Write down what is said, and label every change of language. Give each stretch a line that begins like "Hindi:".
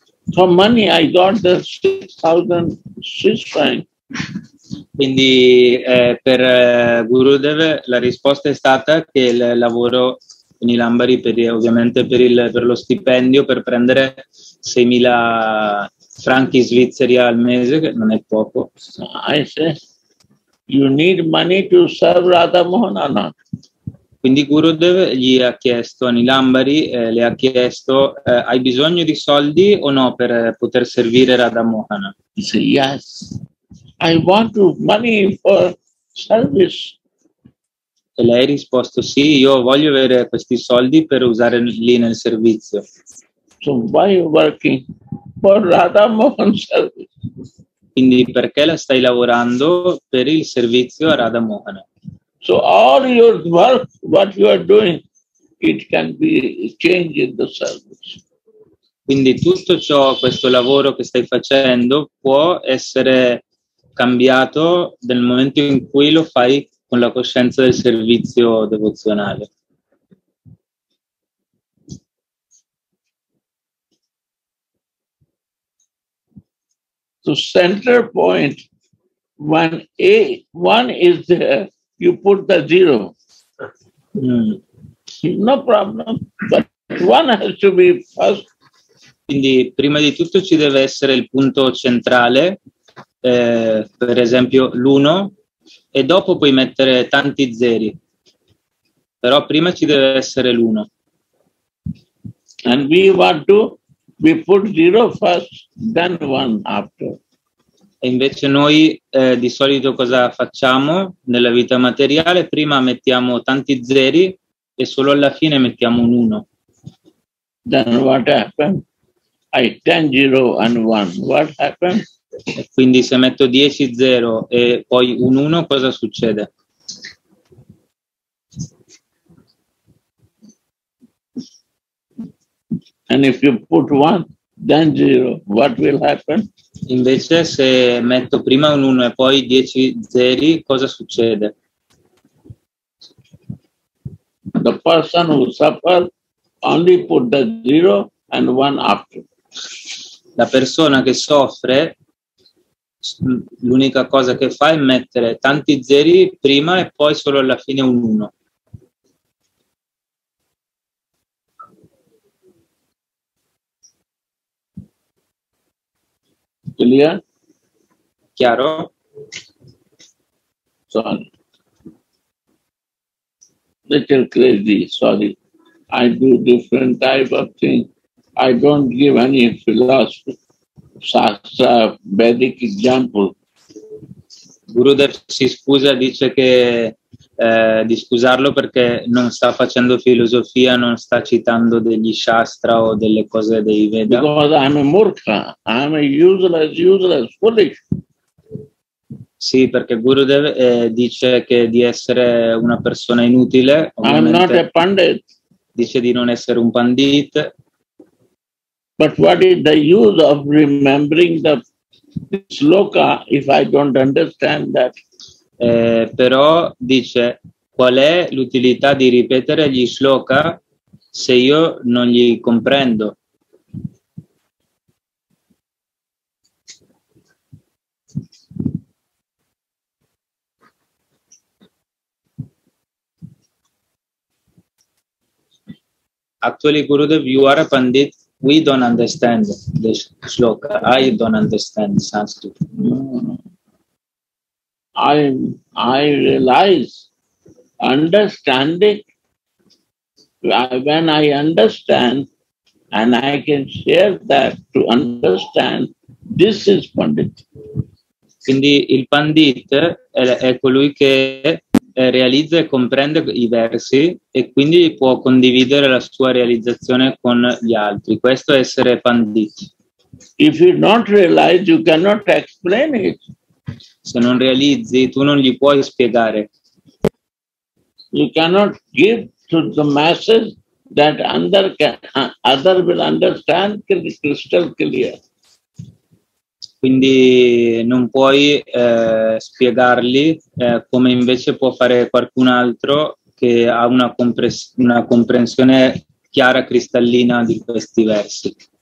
English: For money I got the 6,000 Swiss francs.
Italian: Quindi per Gurudev la risposta è stata che lavoro in Ilambari per lo stipendio per prendere 6,000 franchi svizzeri al mese, che non è poco.
English: I say, you need money to serve Radha Mohan or not?
Italian: Quindi Gurudev gli ha chiesto, Nilambari le ha chiesto, hai bisogno di soldi o no per poter servire Radha Mohan?
English: He said, yes, I want money for service.
Italian: E lei ha risposto, sì, io voglio avere questi soldi per usare lì nel servizio.
English: So why you working? For Radha Mohan service.
Italian: Quindi perché la stai lavorando per il servizio a Radha Mohan?
English: So all your work, what you are doing, it can be changed in the service.
Italian: Quindi tutto ciò, questo lavoro che stai facendo, può essere cambiato nel momento in cui lo fai con la coscienza del servizio devozionale.
English: The center point when A one is there, you put the zero. No problem, but one has to be first.
Italian: Quindi prima di tutto ci deve essere il punto centrale, per esempio l'uno, e dopo puoi mettere tanti zeri. Però prima ci deve essere l'uno.
English: And we want to we put zero first, then one after.
Italian: E invece noi di solito cosa facciamo nella vita materiale? Prima mettiamo tanti zeri e solo alla fine mettiamo un 1.
English: Then what happened? I 10 0 and 1. What happened?
Italian: E quindi se metto 10 0 e poi un 1 cosa succede?
English: And if you put 1 then 0, what will happen?
Italian: Invece se metto prima un 1 e poi 10 zeri, cosa succede?
English: The person who suffer only put the 0 and 1 after.
Italian: La persona che soffre l'unica cosa che fa è mettere tanti zeri prima e poi solo alla fine un 1. Elia? Chiaro?
English: Sorry. Little crazy, sorry. I do different type of thing. I don't give any philosophy, sastra, Vedic example.
Italian: Gurudev si scusa, dice che di scusarlo perché non sta facendo filosofia, non sta citando degli shastra o delle cose dei Veda.
English: Because I'm a murkha, I'm a useless, useless, foolish.
Italian: Sì, perché Gurudev dice che di essere una persona inutile.
English: I'm not a pandit.
Italian: Dice di non essere un pandit.
English: But what is the use of remembering the sloka if I don't understand that?
Italian: Però dice, qual è l'utilità di ripetere gli sloka se io non li comprendo?
English: Actually, Gurudev, you are a pandit. We don't understand this sloka. I don't understand Sanskrit. I realize, understanding, when I understand and I can share that to understand, this is pandit.
Italian: Quindi il pandit è colui che realizza e comprende i versi e quindi può condividere la sua realizzazione con gli altri. Questo è essere pandit.
English: If you don't realize, you cannot explain it.
Italian: Se non realizzi, tu non gli puoi spiegare.
English: You cannot give to the masses that other will understand crystal clear.
Italian: Quindi non puoi spiegarli come invece può fare qualcun altro che ha una comprensione chiara, cristallina di questi versi.